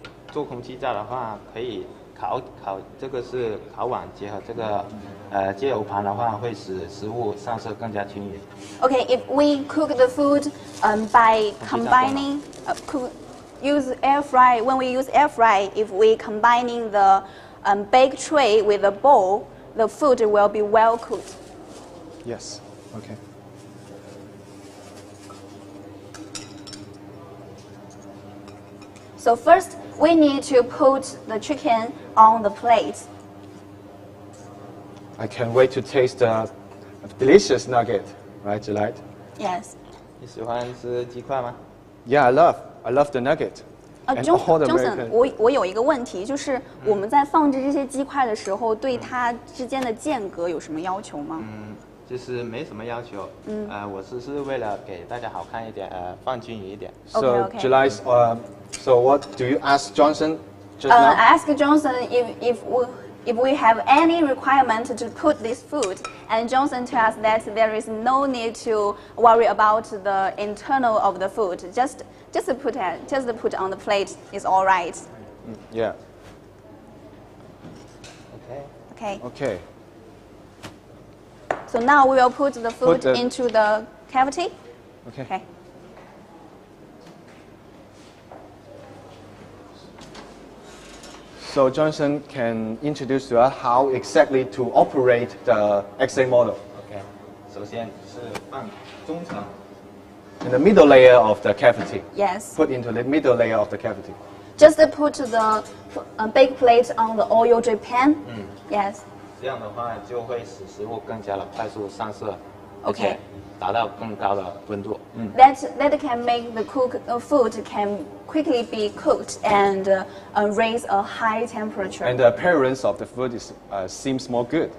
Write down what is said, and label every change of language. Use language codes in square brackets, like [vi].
[zh] 做空气炸的话可以烤碗结合这个接油盘的话会使食物上色更加均匀。 [en] Okay, if we cook the food by combining, use air fry, when we use air fry, if we combining the baked tray with a bowl, the food will be well cooked. Yes, okay. So first, we need to put the chicken on the plate. I can't wait to taste the delicious nugget, right, Jilight? Yes. [zh] 你喜欢吃鸡块吗? [en] Yeah, I love the nugget. [zh] Johnson, 我有一个问题，就是我们在放置这些鸡块的时候，对它之间的间隔有什么要求吗？其实没什么要求，我只是为了给大家好看一点，放均匀一点。So, [en] July's, so what do you ask Johnson just now? Ask Johnson if we have any requirement to put this food, and Johnson tells us that there is no need to worry about the internal of the food. Just put on the plate is all right. Yeah. Okay. So now we will put the food into the cavity. Okay. So Johnson can introduce to us how exactly to operate the XA model. Okay. [zh] 首先是放中层, [en] in the middle layer of the cavity. Yes. Put into the middle layer of the cavity. Just put the baked plate on the oil drip pan. Yes. [zh] 这样的话就会使食物更加的快速上色，而且达到更高的温度。 [en] That can make the food can quickly be cooked and raise a high temperature. And the appearance of the food is seems more good.